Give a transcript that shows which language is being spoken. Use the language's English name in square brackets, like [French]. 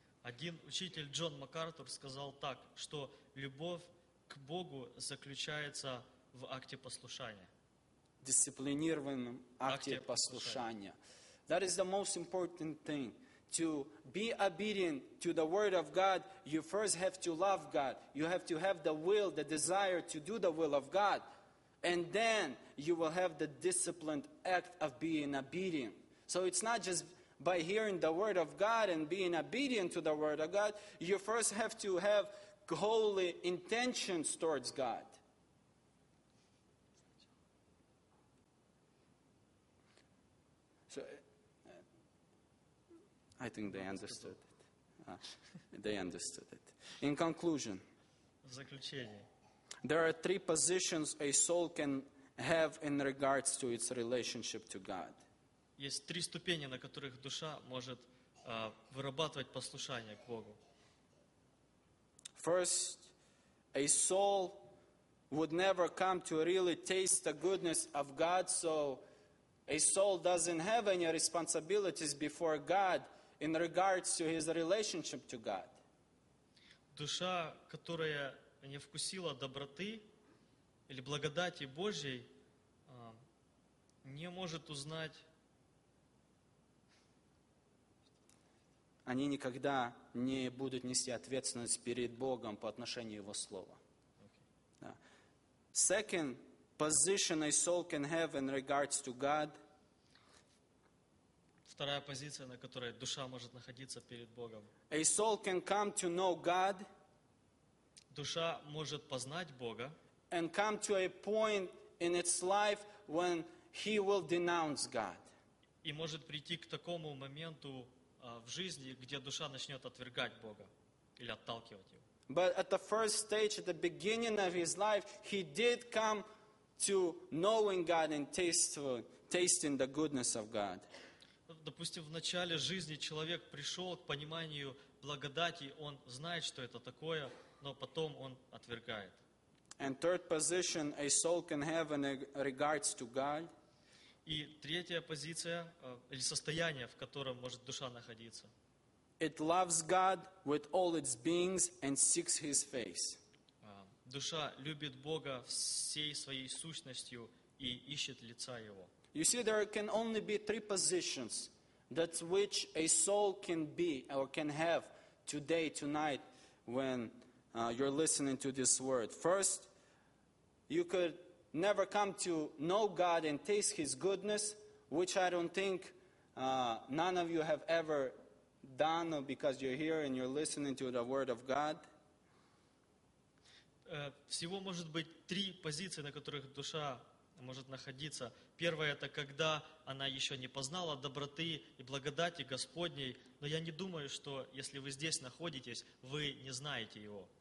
[Russian] Один учитель Джон МакАртур сказал так, что любовь к Богу заключается в акте послушания. Дисциплинированном акте послушания. [English] That is the most important thing. To be obedient to the Word of God, you first have to love God. You have to have the will, the desire to do the will of God. And then you will have the disciplined act of being obedient. So it's not just by hearing the Word of God and being obedient to the Word of God, you first have to have holy intentions towards God. So, I think they understood it. They understood it. In conclusion, [Russian] в заключение, [English] there are three positions a soul can have in regards to its relationship to God. [Russian] Есть три ступени, на которых душа может вырабатывать послушание к Богу. [English] First, a soul would never come to really taste the goodness of God, so a soul doesn't have any responsibilities before God in regards to his relationship to God. [Russian] Душа, которая не вкусила доброты или благодати Божьей, не может узнать. Они никогда не будут нести ответственность перед Богом по отношению Его Слова. [English] Okay. Second position a soul can have in regards to God. [Russian] Вторая позиция, на которой душа может находиться перед Богом. [English] A soul can come to know God. [Russian] Душа может познать Бога. [English] And come to a point in its life when he will denounce God. [Russian] И может прийти к такому моменту в жизни, где душа начнет отвергать Бога или отталкивать его. [English] But at the first stage, at the beginning of his life, he did come to knowing God and tasting the goodness of God. [Russian] Допустим, в начале жизни человек пришел к пониманию благодати, он знает, что это такое, но потом он отвергает. [English] And third position a soul can have in regards to God. [Russian] И третья позиция или состояние, в котором может душа находиться. [English] It loves God with all its beings and seeks His face. [Russian] Душа любит Бога всей своей сущностью и ищет лица Его. [English] You see, there can only be three positions that which a soul can be or can have today, tonight, when you're listening to this word. First, you could never come to know God and taste His goodness, which I don't think none of you have ever done because you're here and you're listening to the word of God. [Russian] Всего может быть три позиции, на которых душа может находиться. Первое, это когда она еще не познала доброты и благодати Господней, но я не думаю, что если вы здесь находитесь, вы не знаете его.